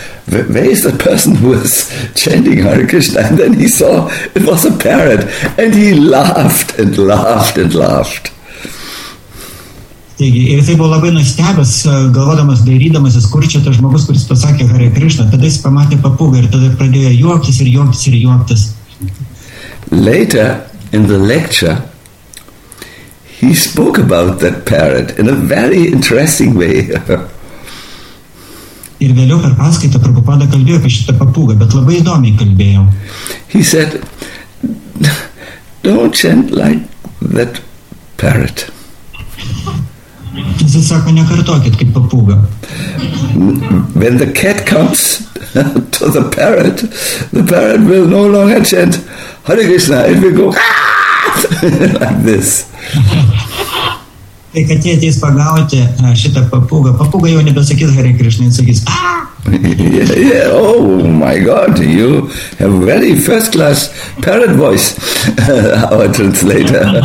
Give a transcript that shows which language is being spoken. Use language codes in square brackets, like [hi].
[en] Where is the person who was chanting Hare Krishna? And then he saw it was a parrot. And he laughed and laughed and laughed. [lt] Taigi, ir jisai buvo labai nustebęs, galvodamas, dairydamasis, kur čia tas žmogus, kuris pasakė Hare Krishna. Tada jis pamatė papūgą ir tada pradėjo juoktis ir juoktis ir juoktis. [en] Later in the lecture, he spoke about that parrot in a very interesting way. [lt] Ir vėliau per paskaitą Prabhupada kalbėjo apie šitą papūgą, bet labai įdomiai kalbėjo. [en] He said, don't chant like that parrot. [lt] Jis sako, nekartokit kaip papūga. [en] When the cat comes to the parrot will no longer chant, Hare Krishna, it will go, like this. [lt] Tai kad jie ateis pagauti šitą papūgą. Papūga jau nebesakys Hare Krishna, sakys [en] Yeah, yeah. Oh my God, you have very first class parrot voice, our translator.